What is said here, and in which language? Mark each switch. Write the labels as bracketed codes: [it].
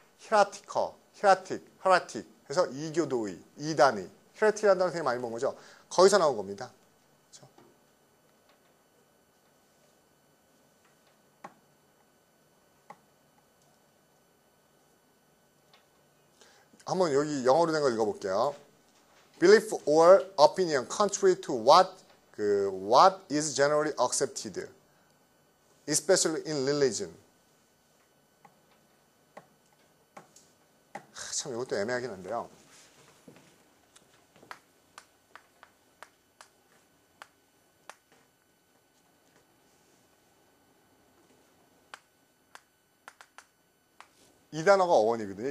[ko] 히라티커, 히라틱, 허라틱 해서 이교도의, 이단의, 히라틱이라는 단어 되게 많이 본 거죠? 거기서 나온 겁니다. 한번 여기 영어로 된걸 읽어볼게요. [en] Belief or opinion contrary to what? What is generally accepted, especially in religion? [ko] 참, 이것도 애매하긴 한데요. 이 단어가 어원이거든요.